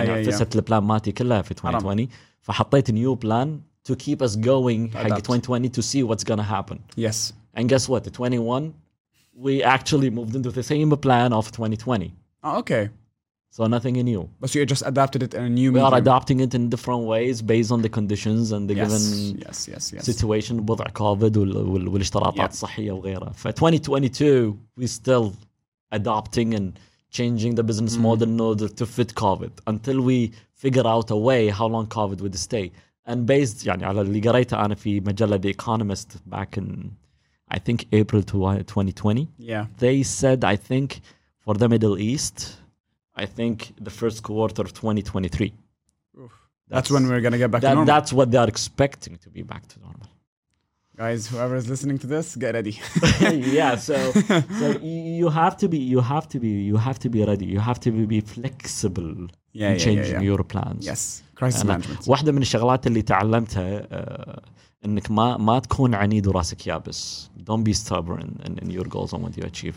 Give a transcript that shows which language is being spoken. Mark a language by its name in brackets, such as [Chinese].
[English] I planned my plan for 2020. So I put a new plan to keep us going in 2020 to see what's going to happen. Yes. And guess what? 2021. We actually moved into the same plan of 2020. Oh, okay. So nothing new. But you just adapted it in a new medium. We are adapting it in different ways based on the conditions and the given situation. [Arabic] وضع COVID والاشتراطات الصحية وغيرها. [English] For 2022, we're still adapting and changing the business model in order to fit COVID until we figure out a way how long COVID would stay. And based [Arabic] يعني على اللي قريته أنا في مجلة [English] The Economist back in I think April 2020. Yeah. They said, I think, for the Middle East, I think the first quarter of 2023. Oof. That's when we're going to get back to normal. That's what they are expecting to be back to normal. Guys, whoever is listening to this, get ready. So you have to be ready. You have to be flexible in changing your plans. Yes. Crisis management. [Arabic] واحدة من الشغلات اللي تعلمتها انك ما تكون عنيد وراسك يابس. [English] Don't be stubborn in your goals and what you achieve.